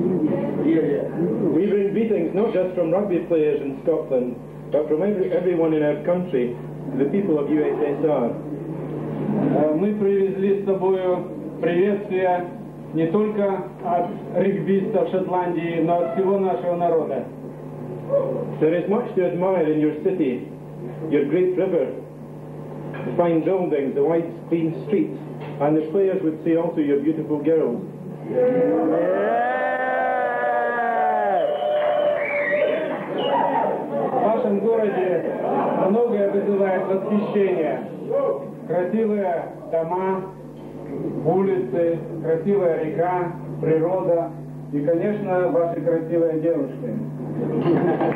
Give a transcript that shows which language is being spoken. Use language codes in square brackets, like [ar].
[en] We've been beatings not just from rugby players in Scotland, but from everyone in our country, the people of USSR. [ru] Мы привезли с собой приветствия не только от регбистов Шотландии, но от всего нашего народа. [en] There is much to admire in your city, your great river, the fine buildings, the white clean streets, and the players would say also your beautiful girls. [ru] В вашем городе многое вызывает восхищение. Красивые дома, улицы, красивая река, природа и, конечно, ваши красивые девушки.